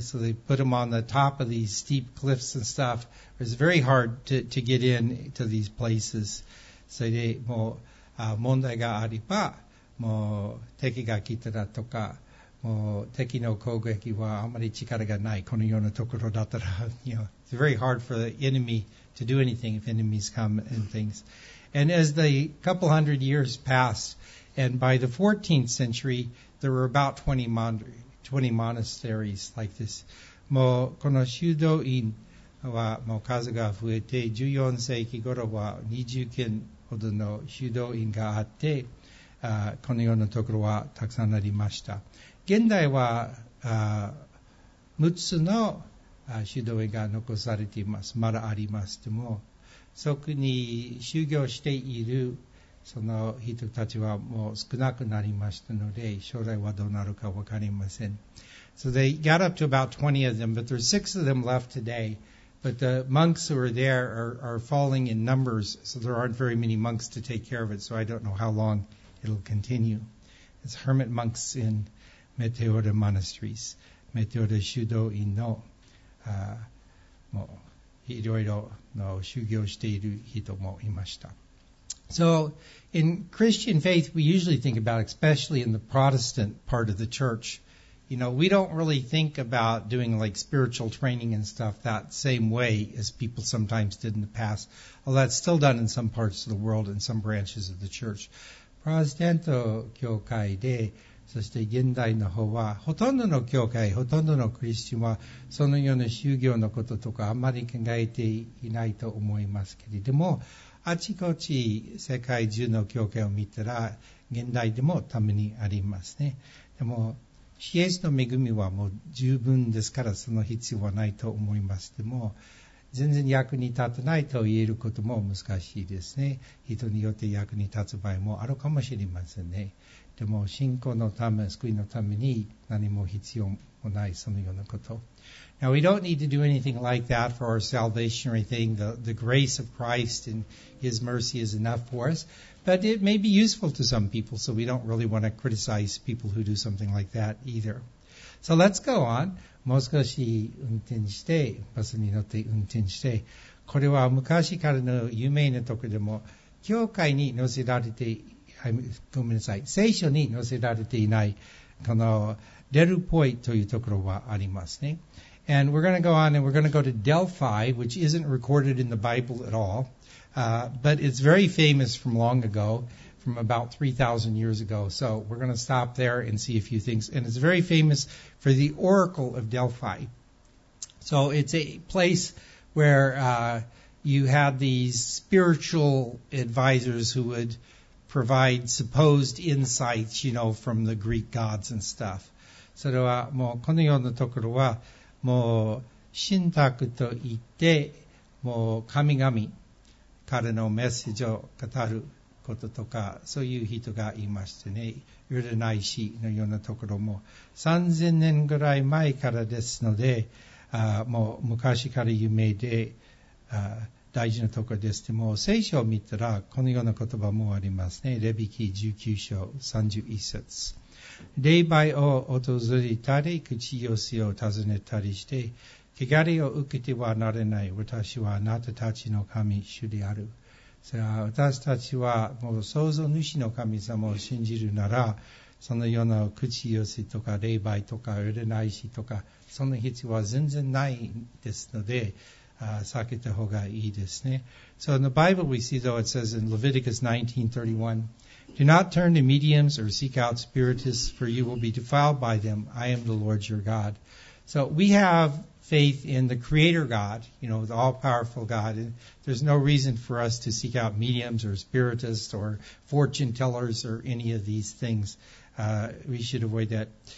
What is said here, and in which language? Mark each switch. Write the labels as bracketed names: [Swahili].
[English] So they put them on the top of these steep cliffs and stuff. It was very hard to get in to these places. [Japanese] それでもう問題があれば、もう敵が来たらとか、もう敵の攻撃はあまり力がないこのようなところだったら、 [English] you know, it's very hard for the enemy to do anything if enemies come and things. And as the couple hundred years passed, and by the 14th century, there were about 20 monasteries like this. [Japanese] もうこの修道院はもう数が増えて、14世紀頃は20軒ほどの修道院があって、このようなところはたくさんありました。現代は6つの修道院が残されています。まだあります。でも、そこに修行しているその人たちはもう少なくなりましたので、将来はどうなるか分かりません。 [English] So they got up to about 20 of them, but there's 6 of them left today. But the monks who are there are falling in numbers, so there aren't very many monks to take care of it, so I don't know how long it'll continue. It's hermit monks in Meteora monasteries. [Japanese] Meteora shudo in no, もういろいろの修行している人もいました。 [English] So in Christian faith, we usually think about, especially in the Protestant part of the church, you know, we don't really think about doing like spiritual training and stuff that same way as people sometimes did in the past. Although that's still done in some parts of the world and some branches of the church. [Japanese] Protestant 教会で、そして現代の方は、ほとんどの教会、ほとんどのクリスチャンは、そのような修行のこととかあまり考えていないと思いますけれども、あちこち世界中の教会を見たら、現代でもたまにありますね。でも、シエスの恵みはもう十分ですから、その必要はないと思います。でも、全然役に立たないと言えることも難しいですね。人によって役に立つ場合もあるかもしれませんね。でも、信仰のため、救いのために何も必要もない、そのようなこと。 [English] Now, we don't need to do anything like that for our salvation or anything. The grace of Christ and His mercy is enough for us. But it may be useful to some people, so we don't really want to criticize people who do something like that either. So let's go on. [Japanese] もう少し運転して、バスに乗って運転して。これは昔からの有名なところでも、教会に載せられて、ごめんなさい、聖書に載せられていない、このデルポイというところはありますね。 [English] And we're going to go on and we're going to go to Delphi, which isn't recorded in the Bible at all. But it's very famous from long ago, from about 3,000 years ago. So we're going to stop there and see a few things. And it's very famous for the Oracle of Delphi. So it's a place where you had these spiritual advisors who would provide supposed insights, you know, from the Greek gods and stuff. [Japanese] それはもうこのようなところはもう神託といって、もう神々からのメッセージを語ることとか、そういう人がいましてね、占い師のようなところも、3000年ぐらい前からですので、もう昔から有名で、大事なところです。でも、聖書を見たら、このような言葉もありますね、レビ記19章31節。霊媒を訪れたり、口寄せを尋ねたりして、汚れを受けてはなれない。私はあなたたちの神、主である。それは私たちはもう創造主の神様を信じるなら、そのような口寄せとか霊媒とか占い師とか、その必要は全然ないですので、避けた方がいいですね。 [English] So in the Bible we see though it says in Leviticus 19:31,Do not turn to mediums or seek out spiritists, for you will be defiled by them. I am the Lord your God. So we have faith in the Creator God, you know, the all-powerful God. And there's no reason for us to seek out mediums or spiritists or fortune tellers or any of these things. We should avoid that.